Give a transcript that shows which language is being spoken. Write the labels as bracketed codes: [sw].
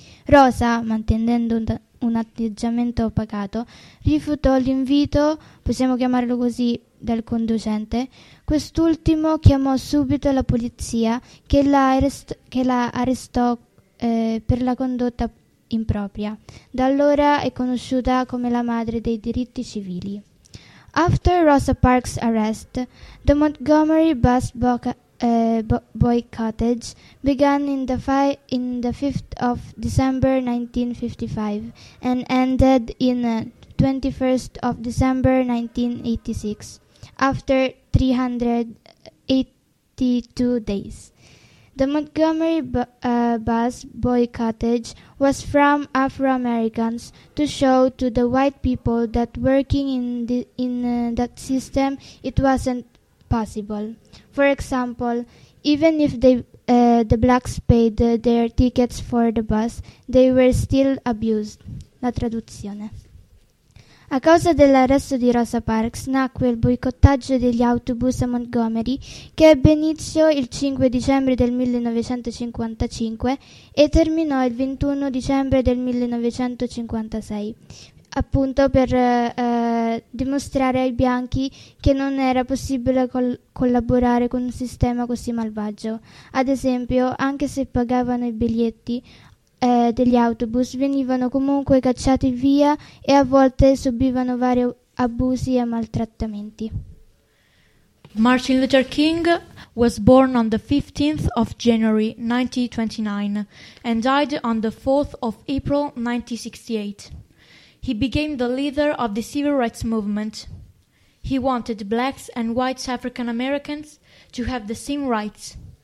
[it] Rosa, mantenendo un atteggiamento pacato, rifiutò l'invito, possiamo chiamarlo così, dal conducente. Quest'ultimo chiamò subito la polizia che la arrestò per la condotta impropria. Da allora è conosciuta come la madre dei diritti civili. [en] After Rosa Parks' arrest, the Montgomery bus boycottage began in the 5th of December 1955 and ended in the 21st of December 1986, after 382 days. The Montgomery bus boycottage was from Afro-Americans to show to the white people that working in that system, it wasn't possible. For example, even if the blacks paid their tickets for the bus, they were still abused. [it] La traduzione. A causa dell'arresto di Rosa Parks nacque il boicottaggio degli autobus a Montgomery, che ebbe inizio il 5 dicembre del 1955 e terminò il 21 dicembre del 1956, appunto per dimostrare ai bianchi che non era possibile collaborare con un sistema così malvagio. Ad esempio, anche se pagavano i biglietti, degli autobus venivano comunque cacciati via e a volte subivano vari abusi e maltrattamenti. [en] Martin Luther King was born on the 15th of January 1929 and died on the 4th of April 1968. He became the leader of the civil rights movement. He wanted blacks and white African Americans to have the same rights.